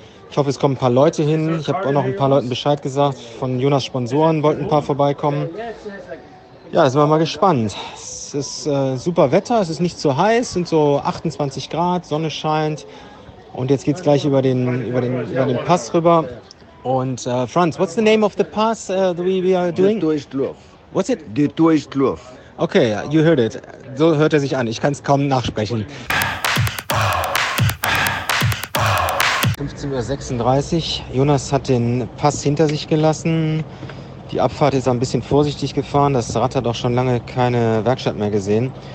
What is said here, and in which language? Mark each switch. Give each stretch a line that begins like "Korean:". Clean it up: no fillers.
German: Ich hoffe, es kommen ein paar Leute hin. Ich habe auch noch ein paar Leuten Bescheid gesagt. Von Jonas Sponsoren wollten ein paar vorbeikommen. Ja, sind wir mal gespannt. Es ist super Wetter, es ist nicht zu heiß, sind so 28 Grad, Sonne scheint. Und jetzt geht es gleich über den Pass rüber.
English: Und Franz, what's the name of the pass we are doing?
German: Die Durchluf.
English: What's it?
German: Die Durchluf.
English: Okay, you heard it.
German: So hört er sich an, ich kann es kaum nachsprechen. 15.36 Uhr, Jonas hat den Pass hinter sich gelassen. Die Abfahrt ist ein bisschen vorsichtig gefahren. Das Rad hat auch schon lange keine Werkstatt mehr gesehen.